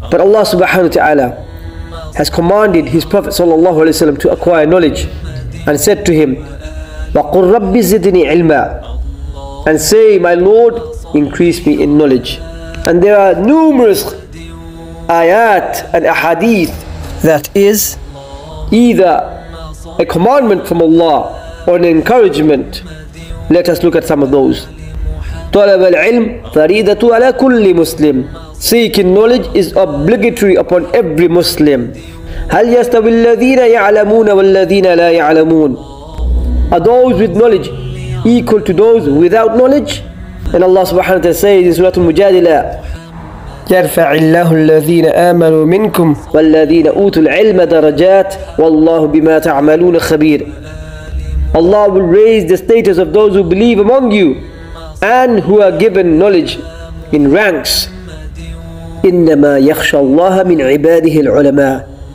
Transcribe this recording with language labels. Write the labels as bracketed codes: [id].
[en] But Allah subhanahu wa ta'ala has commanded his Prophet sallallahu alayhi wa sallam to acquire knowledge and said to him, [ar] وَقُلْ رَبِّ زِدْنِي عِلْمًا, [en] and say, my Lord, increase me in knowledge. And there are numerous ayat and ahadith that is either a commandment from Allah or an encouragement. Let us look at some of those. [ar] طلب العلم فريدة على كل مسلم. [en] Seeking knowledge is obligatory upon every Muslim. [ar] هل يستوي الذين يعلمون والذين لا يعلمون. [en] Are those with knowledge equal to those without knowledge? And Allah subhanahu wa ta'ala says in Surah Al-Mujadila, [ar] يرفع الله الذين آمنوا منكم والذين أوتوا العلم درجات والله بما تعملون خبير. [en] Allah will raise the status of those who believe among you and who are given knowledge in ranks. [ar] إنما يخشى الله من عباده العلماء.